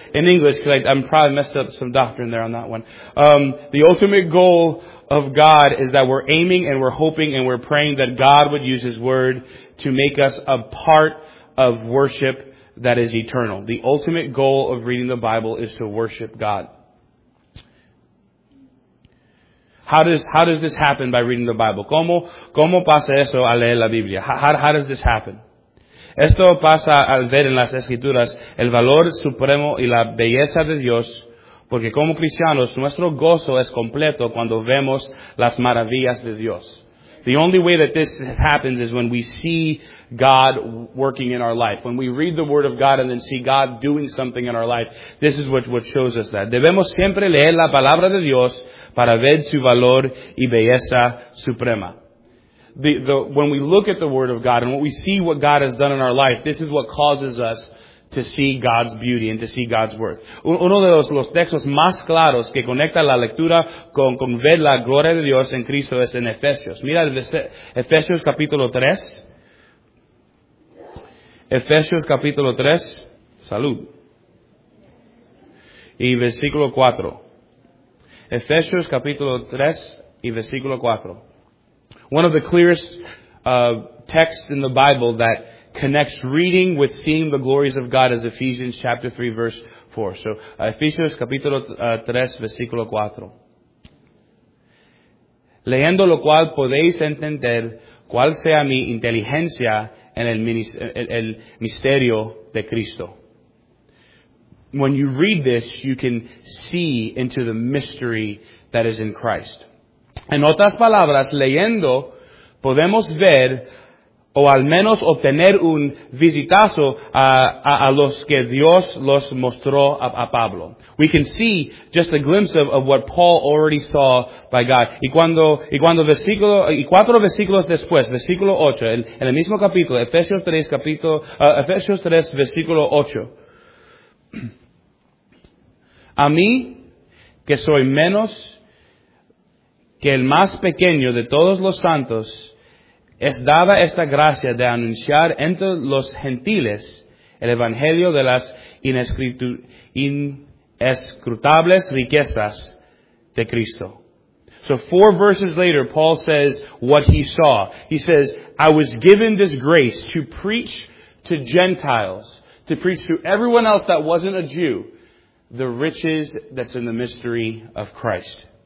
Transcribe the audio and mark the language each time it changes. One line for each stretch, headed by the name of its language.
English: In English, because I'm probably messed up some doctrine there on that one. The ultimate goal of God is that we're aiming and we're hoping and we're praying that God would use His word to make us a part of worship that is eternal. The ultimate goal of reading the Bible is to worship God. How does this happen by reading the Bible?
Spanish: ¿Cómo pasa eso al leer la Biblia?
English: How does this happen?
Spanish: Esto pasa al ver en las Escrituras el valor supremo y la belleza de Dios, porque como cristianos nuestro gozo es completo cuando vemos las maravillas de Dios.
English: The only way that this happens is when we see God working in our life. When we read the Word of God and then see God doing something in our life, this is what shows us that.
Spanish: Debemos siempre leer la palabra de Dios para ver su valor y belleza suprema.
English: When we look at the Word of God and when we see what God has done in our life, this is what causes us to see God's beauty and to see God's worth.
Spanish: Uno de los textos más claros que conecta la lectura con ver la gloria de Dios en Cristo es en Efesios. Mira Efesios capítulo 3. Efesios capítulo 3. Salud. Y versículo 4. Efesios capítulo 3 y versículo 4.
English: One of the clearest texts in the Bible that connects reading with seeing the glories of God is Ephesians chapter 3, verse 4. So, Ephesians
Spanish: capítulo 3, versículo 4. Leyendo lo cual podéis entender cuál sea mi inteligencia en el misterio de Cristo.
English: When you read this, you can see into the mystery that is in Christ.
Spanish: En otras palabras, leyendo, podemos ver o al menos obtener un visitazo a los que Dios los mostró a Pablo.
English: We can see just a glimpse of what Paul already saw by God.
Spanish: Y cuatro versículos después, versículo 8, en el mismo capítulo, Efesios 3, versículo 8. A mí, que soy menos que el más pequeño de todos los santos, es dada esta gracia de anunciar entre los gentiles el evangelio de las inescrutables riquezas de Cristo.
English: So 4 verses later, Paul says what he saw. He says, I was given this grace to preach to Gentiles, to preach to everyone else that wasn't a Jew, the riches that's in the mystery of Christ.